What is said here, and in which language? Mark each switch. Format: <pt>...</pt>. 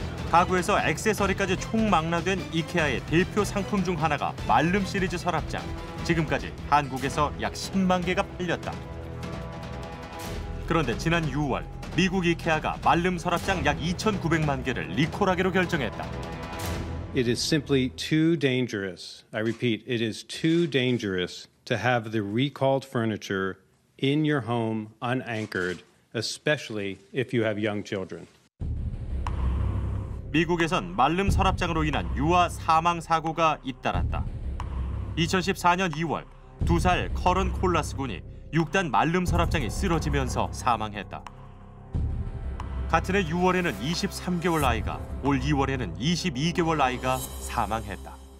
<ko>가구에서 액세서리까지 총망라된 이케아의 대표 상품 중 하나가 말름 시리즈 서랍장. 지금까지 한국에서 약 10만 개가 팔렸다. 그런데 지난 6월 미국 이케아가 말름 서랍장 약 2,900만 개를 리콜하기로 결정했다.</ko> <en>It is simply too dangerous. I repeat, it is too dangerous to have the recalled furniture in your home unanchored, especially if you have young children.</en> <ko>미국에선 말름 서랍장으로 인한 유아 사망 사고가 잇따랐다. 2014년 2월, 두 살 커런 콜라스 군이 6단 말름 서랍장이 쓰러지면서 사망했다. 같은 해 6월에는 23개월 아이가, 올 2월에는 22개월 아이가 사망했다.</ko>